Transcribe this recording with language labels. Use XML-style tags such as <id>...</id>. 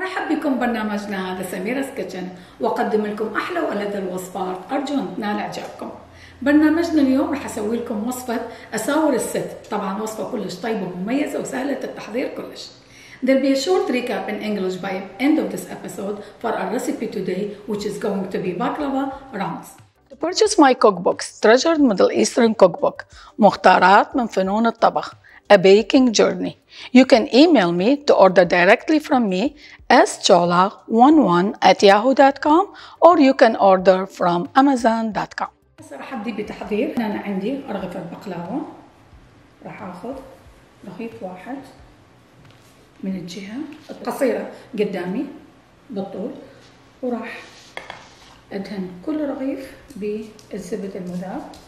<ar>بكم برنامجنا هذا سميرس كيتشن، وأقدم لكم أحلى ولذ الوصفات، أرجو أن تنال إعجابكم. برنامجنا اليوم رح أسوي لكم وصفة أساور الست، طبعاً وصفة كلش طيبة ومميزة وسهلة التحضير كلش.</ar> <en>There'll be a short recap in English by end of this episode for our recipe today, which is going to be baklava rounds. To purchase my cookbook, Treasured Middle Eastern Cookbook, مختارات من فنون الطبخ. A baking journey. You can email me to order directly from me schola11@yahoo.com or you can order from amazon.com.</en> <ar>هسه راح ابدي بتحضير. انا عندي رغيف البقلاوه، راح اخذ رغيف واحد من الجهه القصيره قدامي بالطول، وراح ادهن كل رغيف بالزبده المذاب.</ar>